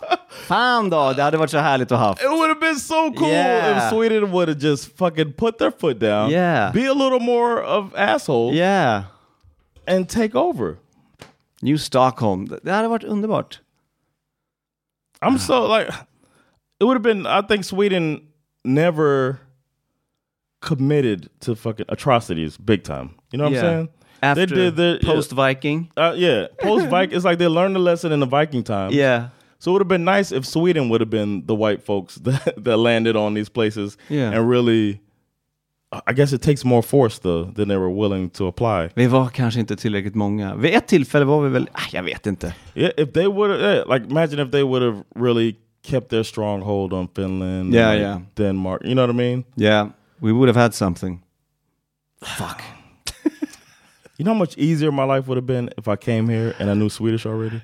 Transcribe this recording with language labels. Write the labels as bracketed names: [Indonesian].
[Swedish] Fan då, det hade varit så härligt att ha. [English] It would have been so cool if Sweden would have just fucking put their foot down, be a little more of asshole, and take over. [Swedish] New Stockholm, det hade varit underbart. [English] I'm so like, it would have been, I think Sweden never committed to fucking atrocities big time. You know what I'm saying? After they did the post-Viking. Post-Viking. It's like they learned a lesson in the Viking times. Yeah. So it would have been nice if Sweden would have been the white folks that landed on these places. Yeah. And really, I guess it takes more force though than they were willing to apply. [Swedish] Vi var kanske inte tillräckligt många. Vid ett tillfälle var vi väl, jag vet inte. [English] Yeah, if they would have, like imagine if they would have really kept their stronghold on Finland, yeah, like, yeah, Denmark. You know what I mean? Yeah, we would have had something. Fuck. You know how much easier my life would have been if I came here and I knew Swedish already?